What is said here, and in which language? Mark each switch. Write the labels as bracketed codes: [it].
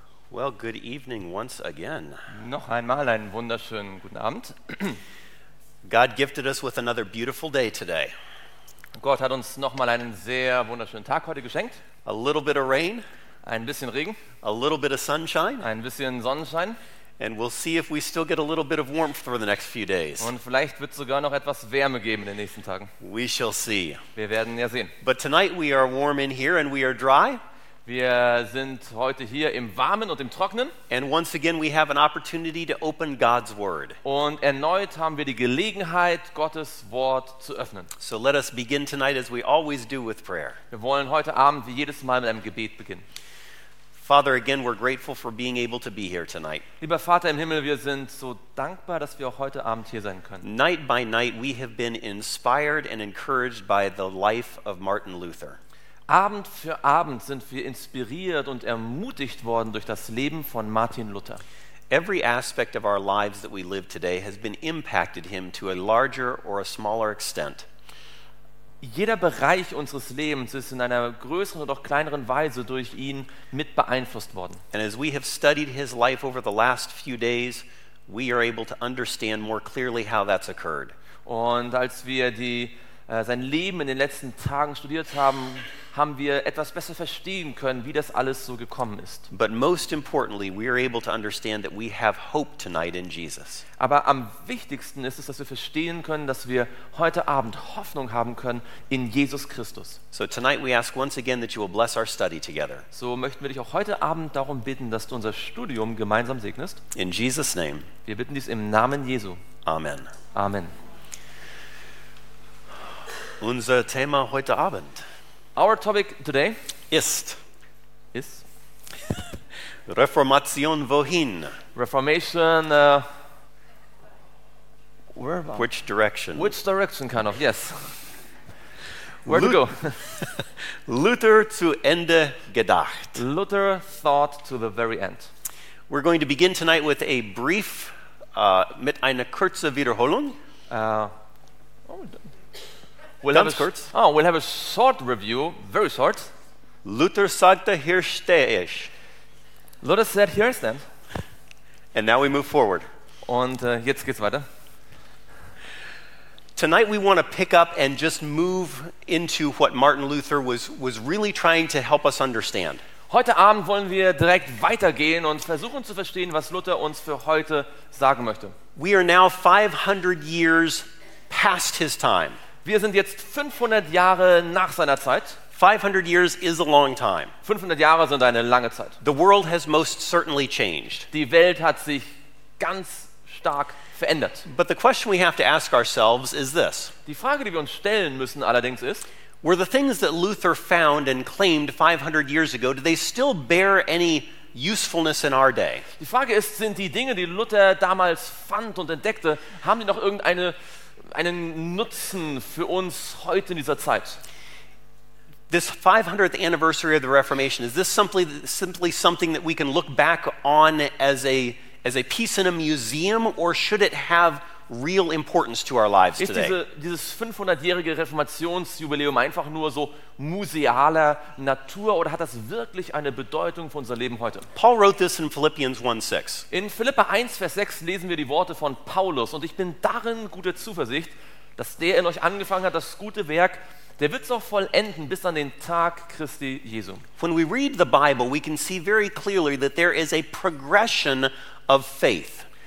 [en] Well, good evening once again. [de] Noch einmal einen wunderschönen guten Abend. [en] God gifted us with another beautiful day today. [de] Gott hat uns noch mal einen sehr wunderschönen Tag heute geschenkt. [en] A little bit of rain. [de] Ein bisschen Regen. [en] A little bit of sunshine. [de] Ein bisschen Sonnenschein. [en] And we'll see if we still get a little bit of warmth for the next few days. [de] Und vielleicht wird sogar noch etwas Wärme geben in den nächsten Tagen. [en] We shall see. [de] Wir werden ja sehen. [en] But tonight we are warm in here and we are dry. [de] Wir sind heute hier im Warmen und im Trockenen. [en] And once again we have an opportunity to open God's word. [de] Und erneut haben wir die Gelegenheit, Gottes Wort zu öffnen. [en] So let us begin tonight as we always do with prayer. [de] Wir wollen heute Abend wie jedes Mal mit einem Gebet beginnen. [en] Father, again, we're grateful for being able to be here tonight. [de] Lieber Vater im Himmel, wir sind so dankbar, dass wir auch heute Abend hier sein können. [en] Night by night, we have been inspired and encouraged by the life of Martin Luther. [de] Abend für Abend sind wir inspiriert und ermutigt worden durch das Leben von Martin Luther. [en] Every aspect of our lives that we live today has been impacted him to a larger or a smaller extent. [de] Jeder Bereich unseres Lebens ist in einer größeren oder auch kleineren Weise durch ihn mit beeinflusst worden. [en] And as we have studied his life over the last few days, we are able to understand more clearly how that's occurred. [de] Und als wir sein Leben in den letzten Tagen studiert haben, haben wir etwas besser verstehen können, wie das alles so gekommen ist. [en] But most importantly, we are able to understand that we have hope tonight in Jesus. [de] Aber am wichtigsten ist es, dass wir verstehen können, dass wir heute Abend Hoffnung haben können in Jesus Christus. [en] So tonight we ask once again that you will bless our study together. [de] So möchten wir dich auch heute Abend darum bitten, dass du unser Studium gemeinsam segnest. [en] In Jesus name. [de] Wir bitten dies im Namen Jesu. [en] Amen. [de] Amen. Unser Thema heute Abend. [en] Our topic today is Reformation [de] wohin? [en] Reformation where about? Which direction? Which direction kind of? Yes. Where to go? [de] Luther zu Ende gedacht. [en] Luther thought to the very end. We're going to begin tonight with a brief [de] mit einer kurze Wiederholung. [en] We'll have a short review, very short. [de] Luther sagte, hier stehe ich. [en] Luther said, here I stand. And now we move forward. [de] Und jetzt geht's weiter. [en] Tonight we want to pick up and just move into what Martin Luther was really trying to help us understand. [de] Heute Abend wollen wir direkt weitergehen und versuchen zu verstehen, was Luther uns für heute sagen möchte. [en] We are now 500 years past his time. [de] Wir sind jetzt 500 Jahre nach seiner Zeit. [en] 500 years is a long time. [de] 500 Jahre sind eine lange Zeit. [en] The world has most certainly changed. [de] Die Welt hat sich ganz stark verändert. [en] But the question we have to ask ourselves is this. [de] Die Frage, die wir uns stellen müssen allerdings ist, [en] were the things that Luther found and claimed 500 years ago, do they still bear any usefulness in our day? [de] Die Frage ist, sind die Dinge, die Luther damals fand und entdeckte, haben die noch einen Nutzen für uns heute in dieser Zeit? [en] This 500th anniversary of the Reformation, is this simply something that we can look back on as a piece in a museum, or should it have real importance to our lives today? [de] Ist dieses 500-jährige Reformationsjubiläum einfach nur so musealer Natur, oder hat das wirklich eine Bedeutung für unser Leben heute? [en] Paul wrote this in Philippians 1:6. [de] In Philippa 1, Vers 6 lesen wir die Worte von Paulus, und ich bin darin guter Zuversicht, dass der in euch angefangen hat, das gute Werk, der wird es auch vollenden bis an den Tag Christi Jesu. [en] When we read the Bible, we can see very clearly that there is a progression of faith.